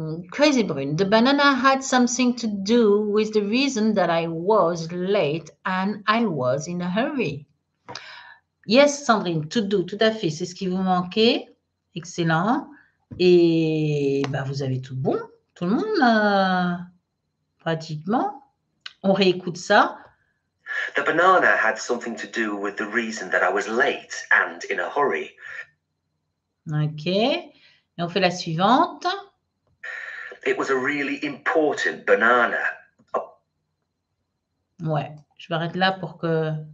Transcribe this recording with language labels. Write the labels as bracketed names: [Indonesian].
[English] Crazy Brune, the banana had something to do with the reason that I was late and I was in a hurry. [French] Yes, Sandrine, to do, tout à fait, c'est ce qui vous manquait. Excellent. Et ben, vous avez tout bon, tout le monde, pratiquement. On réécoute ça. [English] The banana had something to do with the reason that I was late and in a hurry. [French] OK. Et on fait la suivante. [English] It was a really important banana. [French] Oh. Ouais, je m'arrête là pour que...